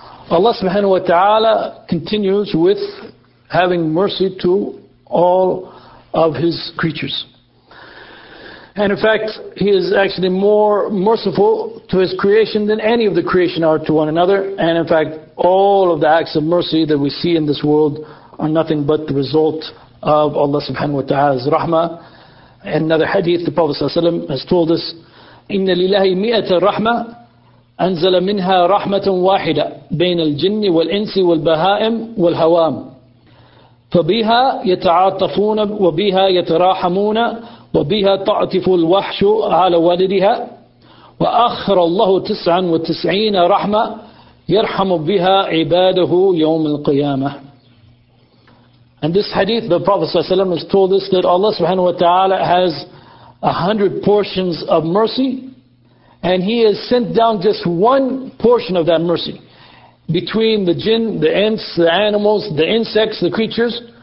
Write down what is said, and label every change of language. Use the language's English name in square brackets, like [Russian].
[English] Allah subhanahu wa ta'ala continues with having mercy to all of His creatures. And in fact, He is actually more merciful to His creation than any of the creation are to one another. And in fact, all of the acts of mercy that we see in this world are nothing but the result of Allah subhanahu wa ta'ala's rahmah. Another hadith, the Prophet sallallahu alaihi wasallam has told us, [Arabic] إِنَّ لِلَّهِ مِئَةَ الرَّحْمَةِ أَنْزَلَ مِنْهَا رَحْمَةً وَاحِدَةً بَيْنَ الْجِنِّ وَالْإِنْسِ وَالْبَهَائِمْ وَالْهَوَامِ فَبِهَا يَتَعَاطَفُونَ وَبِهَا يَتَرَاحَمُونَ وَبِهَا تَعْتِفُ الْوَحْشُ عَلَى وَالِدِهَا وَأَخْرَ اللَّهُ 99 رَحْمَةً يَرْحَمُ بِهَا عِبَادَهُ يَوْمَ الْقِيَامَةِ. [English] And this hadith, the Prophet ﷺ has told us that Allah subhanahu wa ta'ala has 100 portions of mercy, and He has sent down just one portion of that mercy between the jinn, the ants, the animals, the insects, the creatures.